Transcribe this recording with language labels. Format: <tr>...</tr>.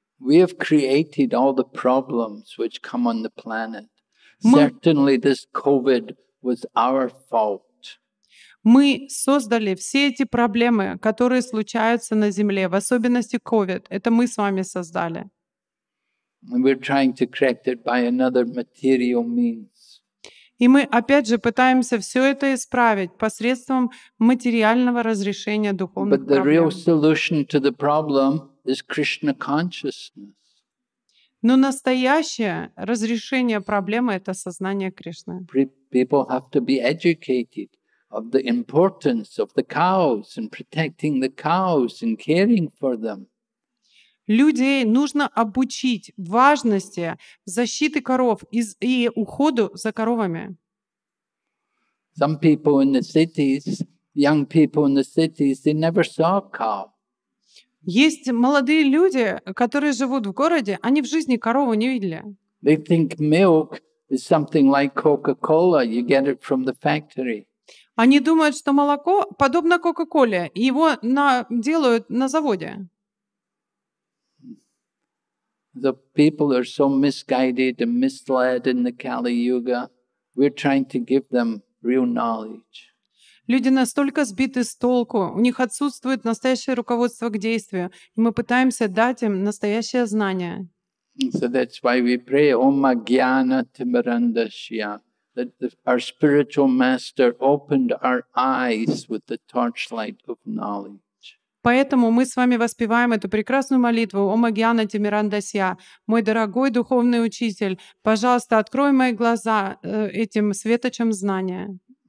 <en>We have created all the problems which come on the planet. Certainly this COVID was our fault.</en> <ru>Мы создали все эти проблемы, которые случаются на Земле, в особенности COVID. Это мы с вами создали.</ru> <en>And we're trying to correct it by another material means.</en> <ru>И мы опять же пытаемся все это исправить посредством материального разрешения духовных проблем.</ru> <en>But the real solution to the problem is Krishna consciousness.</en> <ru>Но настоящее разрешение проблемы — это сознание Кришны.</ru> <en>People have to be educated of the importance of the cows and protecting the cows and caring for them.</en> <ru>Людей нужно обучить важности защиты коров и уходу за коровами.</ru> <en>Some people in the cities, young people in the cities, they never saw a cow.</en> <ru>Есть молодые люди, которые живут в городе, они в жизни корову не видели.</ru> <en>They think milk is something like Coca-Cola. You get it from the factory.</en> <ru>Они думают, что молоко подобно Coca-Cola, его делают на заводе.</ru> <en>the people are so misguided and misled in the Kali Yuga. We're trying to give them real knowledge.</en> <ru>Люди настолько сбиты с толку, у них отсутствует настоящее руководство к действию, и мы пытаемся дать им настоящее знание.</ru> <en>So that's why we pray, Om Agyana Timarandasya, that our spiritual master opened our eyes with the torchlight of knowledge.</en> <ru>Поэтому мы с вами воспеваем эту прекрасную молитву «Ом Агьяна Тимирандасья». Мой дорогой духовный учитель, пожалуйста, открой мои глаза этим светочем знания.</ru>